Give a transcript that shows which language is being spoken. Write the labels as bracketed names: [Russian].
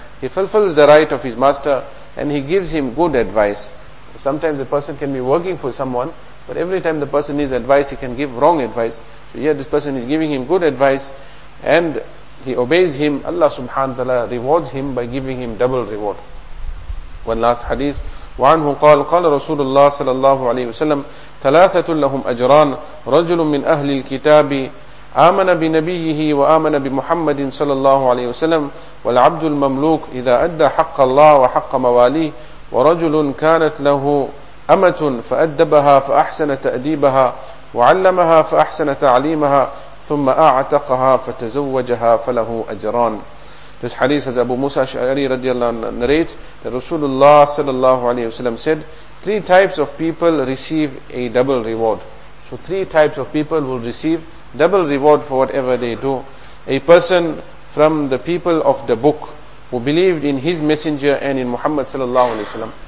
[English] He fulfills the right of his master, and he gives him good advice. Sometimes a person can be working for someone, but every time the person needs advice, he can give wrong advice. So here this person is giving him good advice, and he obeys him. Allah subhanahu wa ta'ala rewards him by giving him double reward. One last hadith. [Arabic] وعنه قال قال رسول الله صلى الله عليه وسلم ثلاثة لهم أجران رجل من أهل الكتاب آمن بنبيه وآمن بمحمد صلى الله عليه وسلم والعبد المملوك إذا أدى حق الله وحق مواليه ورجل كانت له أمة فأدبها فأحسن تأديبها وعلمها فأحسن تعليمها ثم أعتقها فتزوجها فله أجران. [English] This hadith says Abu Musa Ash'ari radiallahu anhu narrates that Rasulullah sallallahu alayhi wa sallam said, three types of people receive a double reward. So three types of people will receive double reward for whatever they do. A person from the people of the book who believed in his messenger and in Muhammad sallallahu alayhi wa sallam.